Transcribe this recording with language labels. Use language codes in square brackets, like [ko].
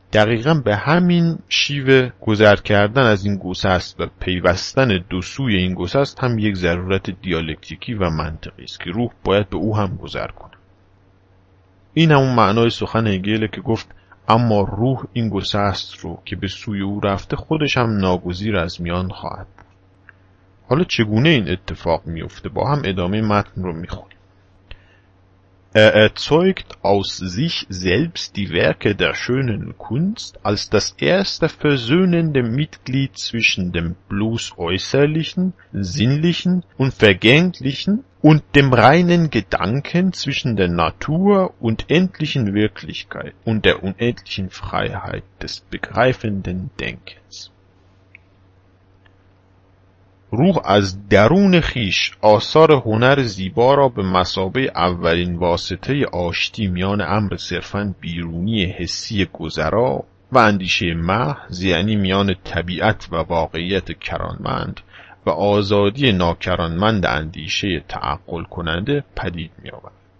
[fa] دقیقا به همین شیوه گذر کردن از این گسست و پیوستن دو سوی این گسست هم یک ضرورت دیالکتیکی و منطقی است که روح باید به او هم گذر کنه. این همون معنای سخن هگل که گفت اما روح این گسست رو که به سوی او رفته خودش هم ناگزیر از میان خواهد بود. حالا چگونه این اتفاق میفته؟ با هم ادامه متن رو میخونیم. [de] Erzeugt aus sich selbst die Werke der schönen Kunst als das erste versöhnende Mitglied zwischen dem bloß äußerlichen, sinnlichen und vergänglichen und dem reinen Gedanken zwischen der Natur und endlichen Wirklichkeit und der unendlichen Freiheit des begreifenden Denkens. [fa] روح از درون خیش آثار هنر زیبا را به مثابه اولین واسطه آشتی میان امر صرفاً بیرونی حسی گذرا و اندیشه محض، یعنی میان طبیعت و واقعیت کرانمند و آزادی ناکرانمند اندیشه تعقل کننده پدید می‌آورد.